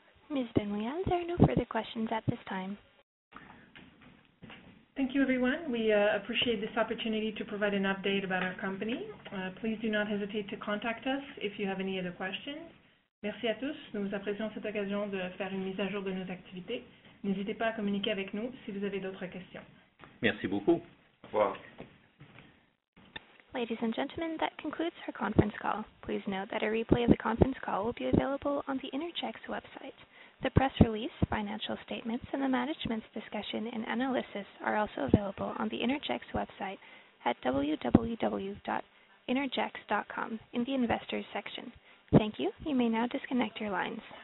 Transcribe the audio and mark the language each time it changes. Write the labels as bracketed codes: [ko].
[en] Ms. Benouillan, there are no further questions at this time. Thank you, everyone. We appreciate this opportunity to provide an update about our company. Please do not hesitate to contact us if you have any other questions. [fr] Merci à tous. Nous vous apprécions cette occasion de faire une mise à jour de nos activités. N'hésitez pas à communiquer avec nous si vous avez d'autres questions. Merci beaucoup. Au revoir. [en] Ladies and gentlemen, that concludes our conference call. Please note that a replay of the conference call will be available on the Innergex website. The press release, financial statements, and the management's discussion and analysis are also available on the Innergex website at www.innergex.com in the investors section. Thank you. You may now disconnect your lines.